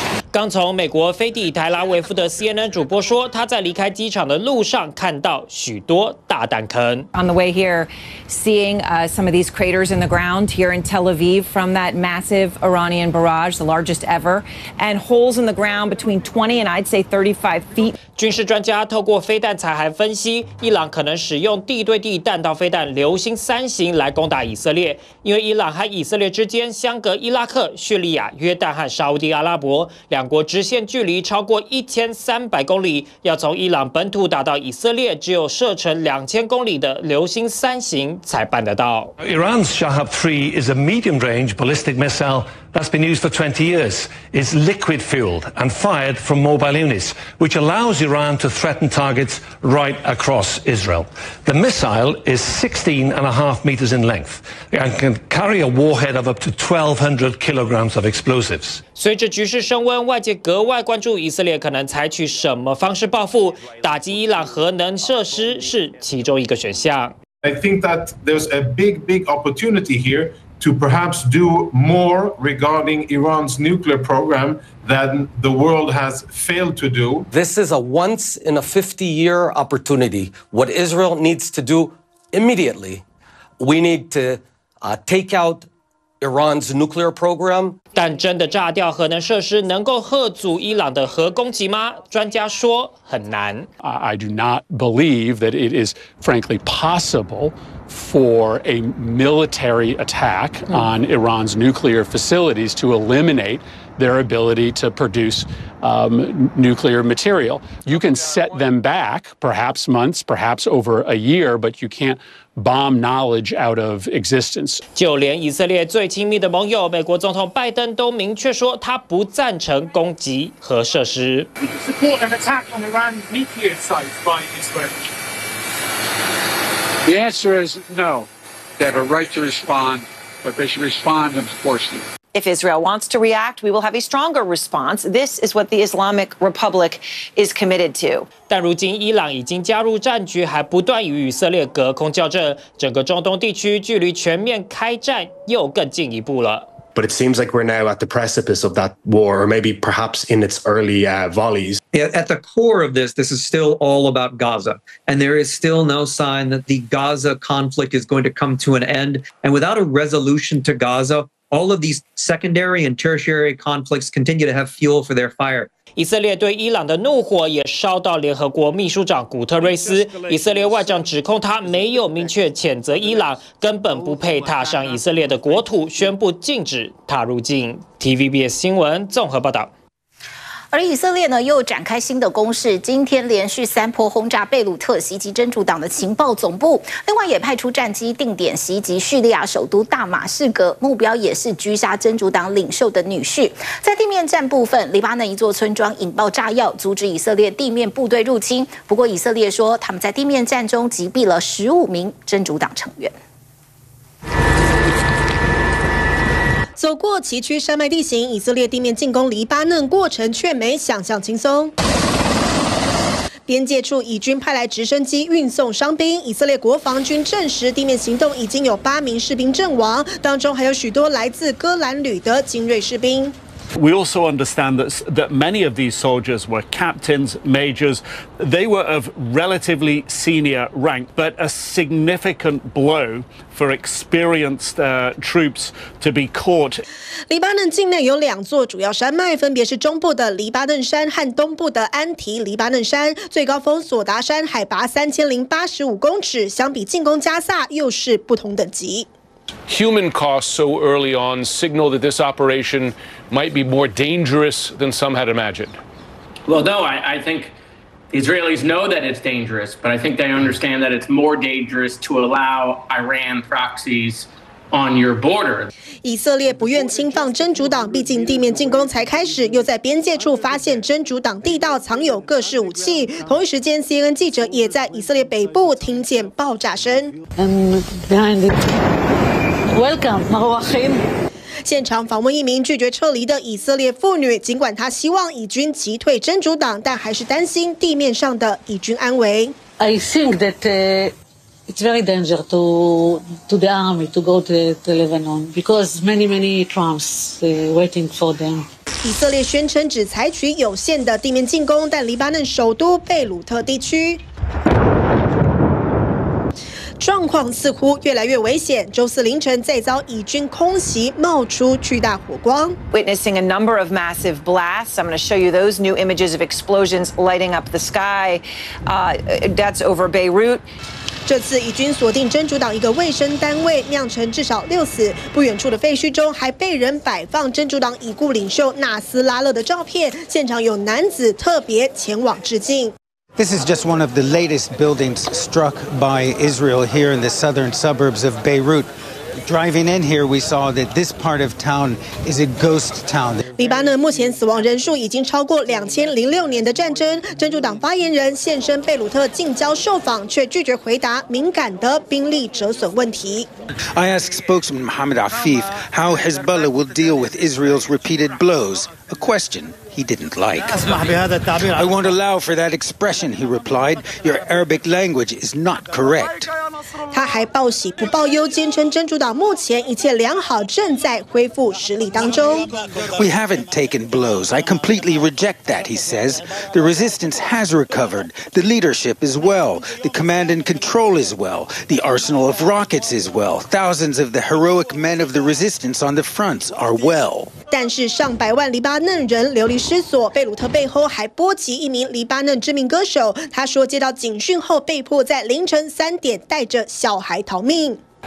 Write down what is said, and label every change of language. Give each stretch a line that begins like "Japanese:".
Chinese: 刚从美国飞抵特拉维夫的 CNN 主播说，他在离开机场的路上看到许多大弹坑。
English: On the way here, seeing some of these craters in the ground here in Tel Aviv from that massive Iranian barrage, the largest ever, and holes in the ground between 20 and I'd say 35 feet.
Chinese: 军事专家透过飞弹残骸分析，伊朗可能使用地对地弹道飞弹“流星三型”来攻打以色列，因为伊朗和以色列之间相隔伊拉克、叙利亚、约旦和沙特。阿拉伯两国直线距离超过1300公里，要从伊朗本土打到以色列，只有射程2000公里的流星三型才办得到。
English: Iran's Shahab 3 is a medium-range ballistic missile that's been used for 20 years. It's liquid-fueled and fired from mobile units, which allows Iran to threaten targets right across Israel. The missile is 16.5 meters in length and can carry a warhead of up to 1,200 kilograms of explosives.
Chinese: 随着局势升温，外界格外关注以色列可能采取什么方式报复。打击伊朗核能设施是其中一个选项。
English: I think that there's a big opportunity here to perhaps do more regarding Iran's nuclear program than the world has failed to do. This is a once in a 50-year opportunity. What Israel needs to do immediately, we need to take out. Iran's nuclear program.
Chinese: 但真的炸掉核能设施能够吓阻伊朗的核攻击吗？专家说很难。
English: I do not believe that it is frankly possible for a military attack on Iran's nuclear facilities to eliminate their ability to produce nuclear material. You can set them back perhaps months, perhaps over a year, but you can't. Bomb knowledge out of existence.
Chinese: 就连以色列最亲密的盟友美国总统拜登都明确说他不赞成攻击核设施。
English: Support an attack on Iran nuclear sites by Israel. The answer is no. They have a right to respond, but they should respond and force them. If Israel wants to react, we will have a stronger response. This is what the Islamic Republic is committed to.
Chinese: 但如今伊朗已经加入战局，还不断与以色列隔空较劲，整个中东地区距离全面开战又更进一步了。
English: But it seems like we're now at the precipice of that war, or maybe perhaps in its early volleys. At the core of this, this is still all about Gaza. And there is still no sign that the Gaza conflict is going to come to an end. And without a resolution to Gaza, all of these secondary and tertiary conflicts continue to have fuel for their fire.
Chinese: 以色列对伊朗的怒火也烧到联合国秘书长古特瑞斯。以色列外长指控他没有明确谴责伊朗，根本不配踏上以色列的国土，宣布禁止他入境。 TVBS 新闻综合报道。而以色列呢又展开新的攻势，今天连续三波轰炸贝鲁特袭击真主党的情报总部，另外也派出战机定点袭击叙利亚首都大马士革，目标也是狙杀真主党领袖的女婿。在地面战部分，黎巴嫩一座村庄引爆炸药，阻止以色列地面部队入侵。不过以色列说，他们在地面战中击毙了15名真主党成员。走过崎岖山脉地形，以色列地面进攻黎巴嫩过程却没想象轻松。边界处以军派来直升机运送伤兵，以色列国防军证实地面行动已经有8名士兵阵亡，当中还有许多来自戈兰旅的精锐士兵。
English: We also understand that many of these soldiers were captains, majors. They were of relatively senior rank, but a significant blow for experienced troops to be caught.
Chinese: 黎巴嫩境内有两座主要山脉，分别是中部的黎巴嫩山和东部的安提黎巴嫩山。最高峰索达山海拔3085公尺，相比进攻加萨又是不同等级。
English: Human costs so early on signal that this operation might be more dangerous than some had imagined. Well, no, I think the Israelis know that it's dangerous, but I think they understand that it's more dangerous to allow Iran proxies on your border.
Chinese: 以色列不愿侵犯真主党，毕竟地面进攻才开始，又在边界处发现真主党地道藏有各式武器。同一时间 ，CNN 记者也在以色列北部听见爆炸声。
English: Welcome, Marwahim.
Chinese: 现场访问一名拒绝撤离的以色列妇女，尽管她希望以军击退真主党，但还是担心地面上的以军安危。
English: I think that it's very dangerous to the army to go to Lebanon because many troops waiting for them.
Chinese: 以色列宣称只采取有限的地面进攻，但黎巴嫩首都贝鲁特地区状况似乎越来越危险。周四凌晨再遭以军空袭，冒出巨大火光。
English: Witnessing a number of massive blasts. I'm going to show you those new images of explosions lighting up the sky. That's over Beirut.
Chinese: 这次以军锁定真主党一个卫生单位，酿成至少6死。不远处的废墟中还被人摆放真主党已故领袖纳斯拉勒的照片。现场有男子特别前往致敬。
English: This is just one of the latest buildings struck by Israel here in the southern suburbs of Beirut. Driving in here, we saw that this part of town is a ghost town.
Chinese: 黎巴嫩目前死亡人数已经超过2006年的战争。真主党发言人现身贝鲁特近郊受访，却拒绝回答敏感的兵力折损问题。
English: I asked spokesman Mohammed Afif how Hezbollah will deal with Israel's repeated blows. A question. He didn't like. I won't allow for that expression, he replied. Your Arabic language is not correct.
Chinese: 他还报喜不报忧，坚称真主党目前一切良好，正在恢复实力当中。
English: We haven't taken blows. I completely reject that, he says. The resistance has recovered. The leadership is well. The command and control is well. The arsenal of rockets is well. Thousands of the heroic men of the resistance on the fronts are well.
Chinese: 但是上百万黎巴嫩人流离失所，贝鲁特背后还波及一名黎巴嫩知名歌手。他说接到警讯后被迫在凌晨3点带着小孩逃命。